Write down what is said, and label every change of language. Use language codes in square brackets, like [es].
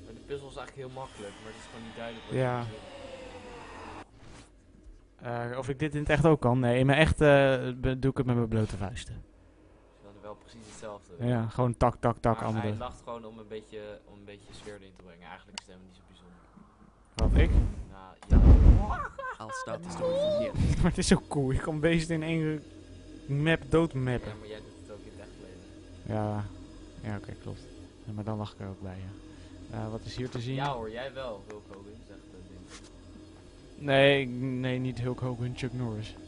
[nl] Maar de puzzel is eigenlijk heel makkelijk, maar het is gewoon niet duidelijk. Ja. Of ik dit in het echt ook kan? Nee, in mijn echt doe ik het met mijn blote vuisten. Dat is wel precies hetzelfde. Ja, gewoon tak, tak, tak. Maar andere. Hij lacht gewoon om een beetje sfeer erin te brengen. Eigenlijk is het niet zo bijzonder. Wat, ik? [en] Ja, I'll start this story from here. [nl] Maar het is zo cool, je kan beesten in één map doodmappen. Ja, maar jij doet het ook in het echt leven. Ja, ja, oké, klopt. Ja, maar dan lag ik er ook bij, ja. Wat is hier te zien? Ja hoor, jij wel, Hulk Hogan, zegt dat ding. Nee, niet Hulk Hogan, Chuck Norris.